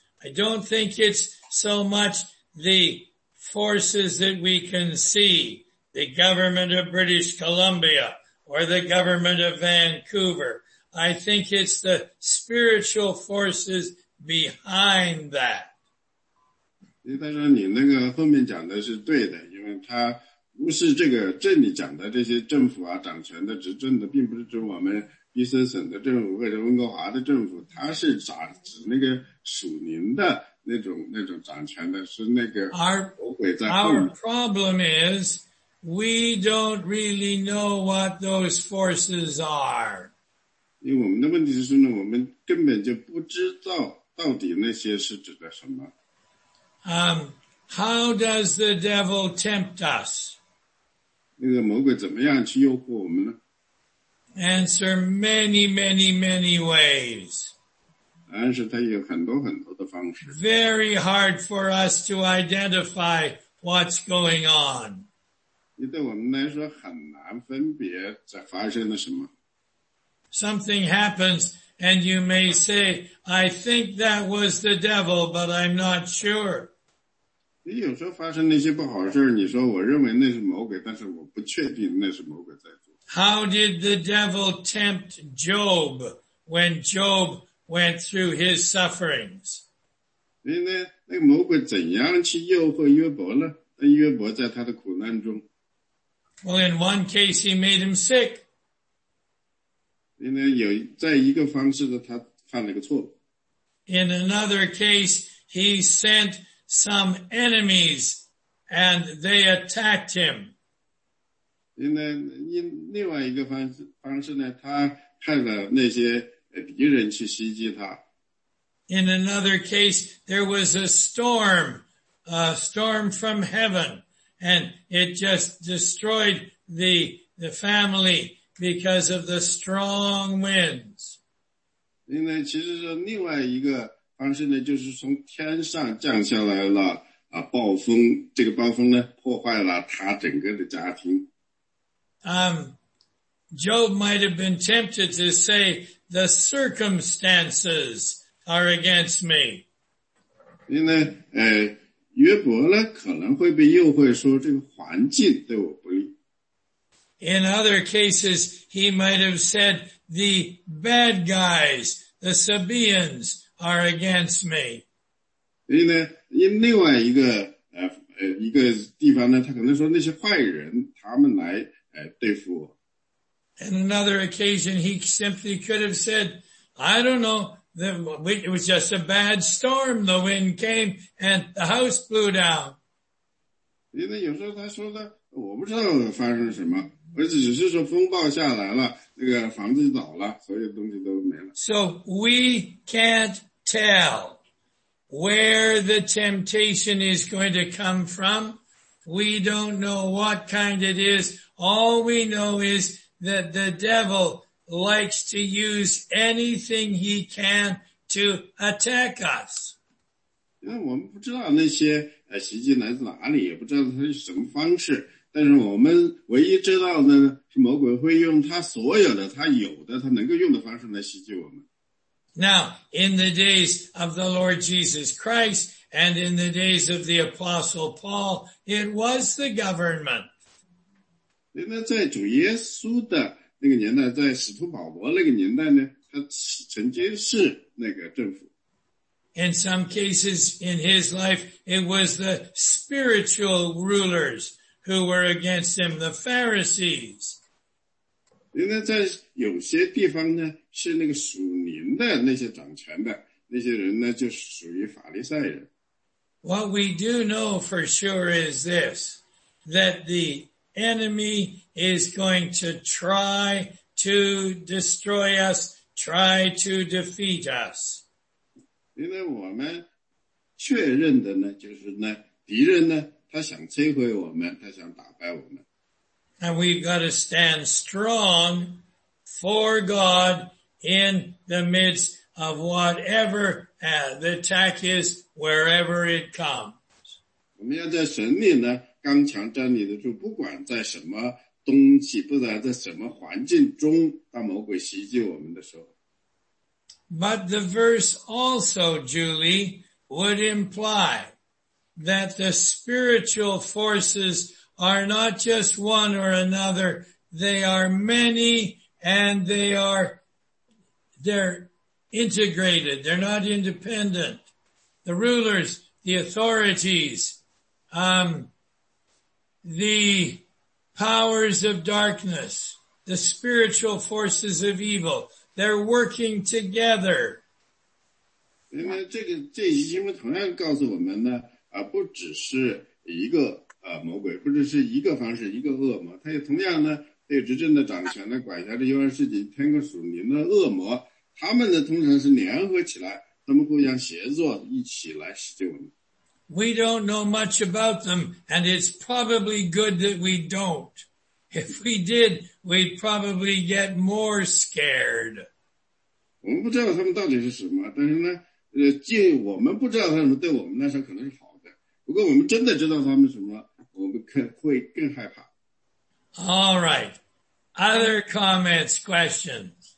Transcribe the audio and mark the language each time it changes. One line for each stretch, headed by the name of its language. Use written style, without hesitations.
English: I don't think it's so much the forces that we can see, the government of British Columbia or the government of Vancouver. I think it's the spiritual forces behind that.
Chinese: 不是这个这里讲的这些政府啊掌权的执政的并不是指我们毕森省的政府或者温哥华的政府，他是指那个属灵的那种掌权的，是那个魔鬼在后面。
English: Our problem is we don't really know what those forces are.
Chinese: 因为我们的问题是呢，我们根本就不知道到底那些是指的什么。
English: How does the devil tempt us?
Chinese: 那个魔鬼怎么样去诱惑我们呢？
English: Answer, many, many, many ways.
Chinese: 但是它有很多很多的方式。
English: Very hard for us to identify what's going on.
Chinese: 对我们来说很难分别在发生了什么。
English: Something happens, and you may say, I think that was the devil, but I'm not sure.
Chinese: 你有时候发生那些不好事，你说我认为那是魔鬼，但是我不确定那是魔鬼在做。
English: How did the devil tempt Job when Job went through his sufferings?
Chinese: 那魔鬼怎样去诱惑约伯呢？但约伯在他的苦难中。
English: Well, in one case, he made him sick.
Chinese: 在一个方式的他犯了个错。
English: In another case, he sent some enemies and they attacked him.
Chinese: 因另外一个方式呢，他派了那些敌人去袭击他。
English: In another case, there was a storm from heaven, and it just destroyed the family because of the strong winds.
Chinese: 其实说另外一个方式呢，就是从天上降下来了啊暴风，这个暴风呢破坏了他整个的家庭。
English: Job might have been tempted to say, the circumstances are against me.
Chinese: 因为约伯呢可能会被诱惑说这个环境对我不利。
English: In other cases, he might have said, the bad guys, the Sabaeans, are against me.
Chinese: 因另外一个地方呢，他可能说那些坏人他们来对付我。
English: In another occasion, he simply could have said, I don't know, it was just a bad storm. The wind came and the house blew down.
Chinese: 因为有时候他说的，我不知道发生了什么，而只是说风暴下来了，那个房子倒了，所有东西都没了。
English: So we can't tell where the temptation is going to come from. We don't know what kind it is. All we know is that the devil likes to use anything he can to attack us.
Chinese: 因为我们不知道那些袭击来自哪里，也不知道它是什么方式，但是我们唯一知道的是魔鬼会用他所有的他有的他能够用的方式来袭击我们。
English: Now, in the days of the Lord Jesus Christ and in the days of the Apostle Paul, it was the government.
Chinese: 那在主耶稣的那个年代，在使徒保罗那个年代呢，他曾经是那个政府。
English: In some cases in his life, it was the spiritual rulers who were against him, the Pharisees.
Chinese: 那在有些地方呢，是那个属灵的那些掌权的那些人呢，就是属于法利赛人。
English: What we do know for sure is this, that the enemy is going to try to destroy us, try to defeat us.
Chinese: 因为我们确认的呢，就是呢，敌人呢，他想摧毁我们，他想打败我们。
English: And we've got to stand strong for God in the midst of whatever the attack is, wherever it comes.
Chinese: 我们要在神里呢刚强站立得住，不管在什么东西，不管在什么环境中，当魔鬼袭击我们的时候。
English: But the verse also, Julie, would imply that the spiritual forces are not just one or another. They are many and they're integrated. They're not independent. The rulers, the authorities, the powers of darkness, the spiritual forces of evil, they're working together.
Chinese: 因为这个这一经文同样告诉我们呢，啊，不只是一个魔鬼，不只是一个方式，一个恶魔，它也同样呢，对执政的掌权的管辖着幽暗世界天国属灵的恶魔，他们呢通常是联合起来，他们互相协作，一起来洗净我们。
English: We don't know much about them, and it's probably good that we don't. If we did, we'd probably get more scared.
Chinese: 我们不知道他们到底是什么，但是呢，既我们不知道他们，对我们来说可能是好的。不过我们真的知道他们什么，我们会更害怕。
English: All right. Other comments, questions?